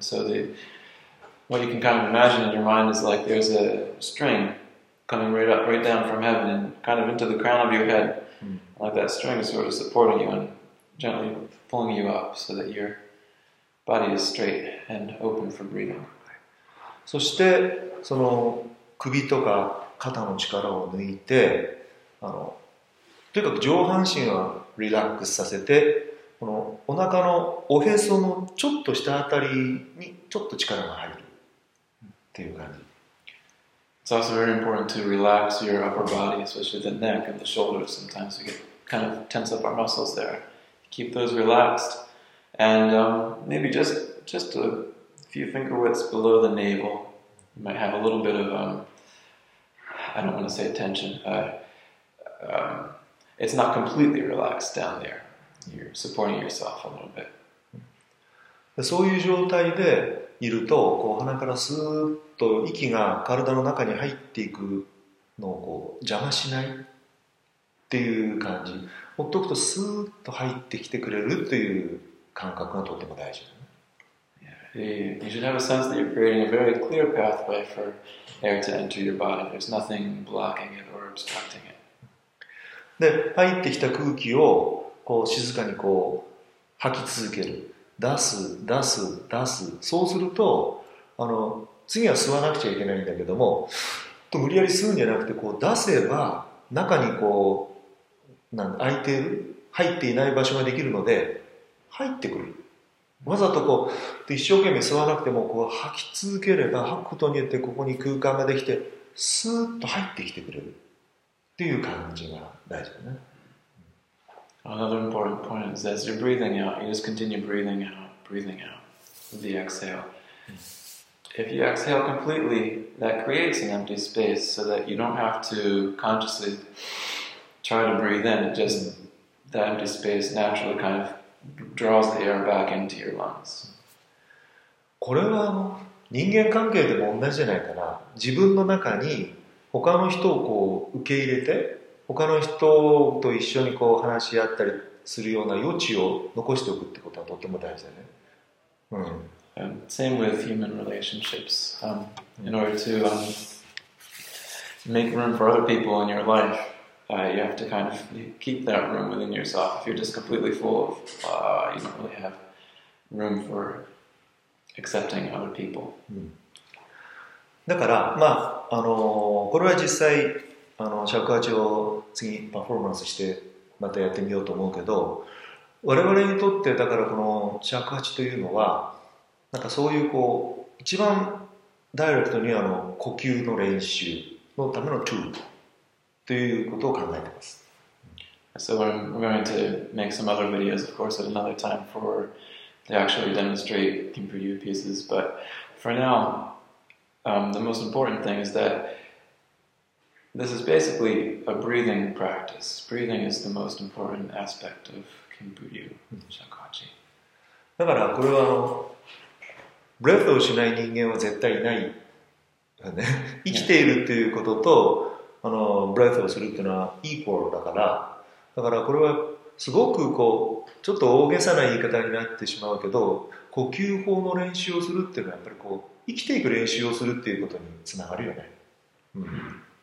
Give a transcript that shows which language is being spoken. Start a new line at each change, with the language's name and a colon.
English: So the what you can kind of imagine in your mind is like there's a string coming right up, right down from heaven and kind of into the crown of your head. Mm. Like that string is sort of supporting you and gently pulling you up so that your body is straight and open for breathing.
Japanese: そしてその首とか肩の力を抜いて、あのとにかく上半身はリラックスさせて、このお腹のおへそのちょっと下あたりにちょっと力が入るっていう感じ。
English: It's also very important to relax your upper body, especially the neck and the shoulders. Sometimes we get kind of tense up our muscles there. Keep those relaxed, and maybe just a few finger widths below the navel. You might have a little bit of, I don't want to say tension, it's not completely relaxed down there. You're supporting yourself a little bit.
Japanese: そういう状態でいると、こう鼻からスーッと息が体の中に入っていくのをこう邪魔しないっていう感じ。ほっとくとスーッと入ってきてくれるという感覚がとても大事。
English: You should have a sense that you're creating a very clear pathway for air to enter your body. There's nothing blocking it or obstructing it.
Japanese: で、入ってきた空気をこう静かにこう吐き続ける。出す、出す、出す。そうすると、あの、次は吸わなくちゃいけないんだけども、と無理やり吸うんじゃなくて、こう出せば中にこう、なん、空いてる、入っていない場所ができるので、入ってくる。わざとこう一生懸命吸わなくてもこう吐き続ければ吐くことによってここに空間ができてスーッと入ってきてくれるっていう感じが大事だね。
English: Another important point is as you're breathing out, you just continue breathing out with the exhale. If you exhale completely, that creates an empty space so that you don't have to consciously try to breathe in. It just that empty space naturally kind of draws the air back into your lungs.
Japanese: これは人間関係でも同じじゃないかな。自分の中に他の人をこう受け入れて、他の人と一緒にこう話し合ったりするような余地を残しておくってことはとても大事だね。うん。
English: Same with human relationships. In order to make room for other people in your life. You have to kind of keep that room within yourself. If you're just completely full of, you don't really have room for accepting other people.、うん、
Japanese: だから、まあ、あの、これは実際、あの、尺八を次パフォーマンスしてまたやってみようと思うけど、我々にとってだからこの尺八というのは、なんかそういうこう、一番ダイレクトにあの、呼吸の練習のためのツール。ということを考えています。
English: So we're going to make some other videos, of course, at another time for to actually demonstrate Kinpu-ryu pieces. But for now, the most important thing is that this is basically a breathing practice. Breathing is the most important aspect of Kinpu-ryu Shakuhachi.
Japanese: だからこれはあの、ブレスをしない人間は絶対いない。生きているということと、あのブレイクをするっていうのはイーコールだから、だからこれはすごくこうちょっと大げさな言い方になってしまうけど、呼吸法の練習をするっていうのはやっぱりこう生きていく練習をするっていうことにつながるよね。うん。